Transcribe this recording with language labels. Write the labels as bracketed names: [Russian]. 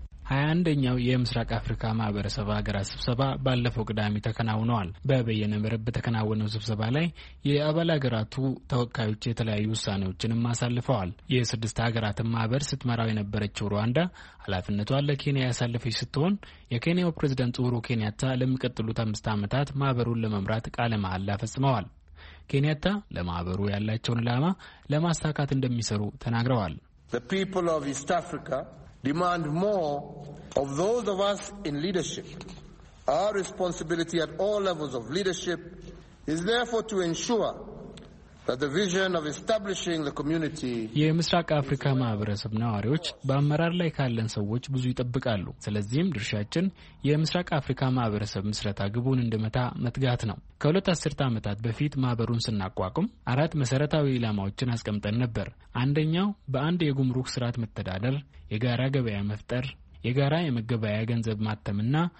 [Amharic] 21ኛው የምስራቅ አፍሪካ ማህበረሰብ ሀገራት ስብሰባ ባለፈው ቅዳሜ ተከናውኗል። በበየነ መረብ ተከናወነው ስብሰባ ላይ የአባል ሀገራቱ ተወካዮች የተለያዩ ውሳኔዎችንም አሳልፈዋል። የስድስት ሀገራት ማህበር ስትመራው የነበረችው ሩዋንዳ ኃላፊነቷን ለኬንያ ያሳለፈች ስትሆን የኬንያው ፕሬዝዳንት ኡሁሩ ኬንያታ ለሚቀጥሉት 5 አመታት ማህበሩን ለመምራት ቃለ መሐላ ፈጽመዋል። ኬንያታ ለማህበሩ ያላቸውን ዓላማ ለማስተካከት እንደሚሰሩ ተናግረዋል። [English] The people of East Africa demand more of those of us in leadership. Our responsibility at all levels of leadership is therefore to ensure that the vision of establishing the community [Amharic] የምስራቅ አፍሪካ ማህበረሰብ ነዋሪዎች በአመራር ላይ ካለን ሰዎች ብዙ ይጥብቃሉ። ስለዚህም ድርሻችን የምስራቅ አፍሪካ ማህበረሰብ ምስረታ ግቡን እንደመታ መትጋት ነው። ከሁለት አስርተ አመታት በፊት ማህበሩን سنናቋቁም አራት መሰረታዊ ኢላማዎችን አስቀምጠን ነበር። አንደኛው በአንድ የጉምሩክ ስርዓት መተዳደር፣ የጋራ ገበያ መፍጠር፣ የጋራ የመገበያያ ገንዘብ ማተምና